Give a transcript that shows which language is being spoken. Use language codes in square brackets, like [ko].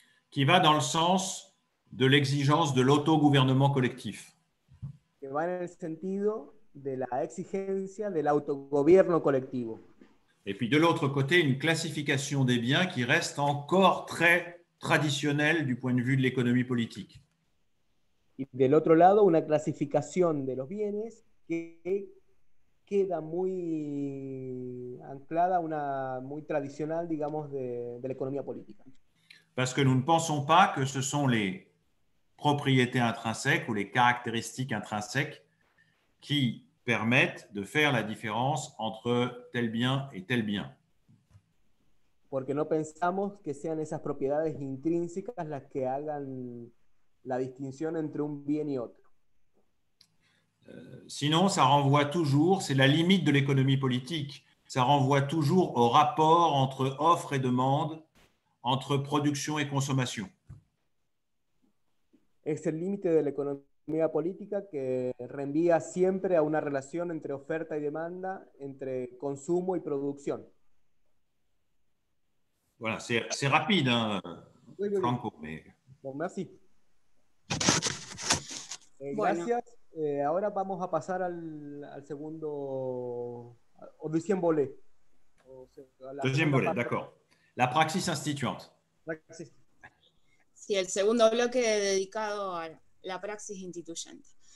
[fr] Qui va dans le sens de l'exigence de l'autogouvernement collectif. Qui va dans le sens de l'exigence de l'autogouvernement collectif. Et puis de l'autre côté, une classification des biens qui reste encore très traditionnelle du point de vue de l'économie politique. [es] Y del otro lado, una clasificación de los bienes que queda muy anclada a una muy tradicional, digamos, de la economía política. [fr] Parce que nous ne pensons pas que ce sont les propriétés intrinsèques ou les caractéristiques intrinsèques qui permettent de faire la différence entre tel bien et tel bien. [es] Porque no pensamos que sean esas propiedades intrínsecas las que hagan la distinción entre un bien y otro. [fr] Sinon, ça renvoie toujours, c'est la limite de l'économie politique, ça renvoie toujours au rapport entre offre et demande, entre production et consommation. [es] Es el límite de la economía política que reenvía siempre a una relación entre oferta y demanda, entre consumo y producción. [fr] Voilà, c'est rapide, hein, oui, oui, Franco. Oui. Mais... Bon, merci. [es] Gracias. Ahora vamos a pasar al segundo, [fr] au deuxième volet. Deuxième volet, d'accord. La praxis instituante. [es] Sí, el segundo bloque dedicado a la praxis instituyente.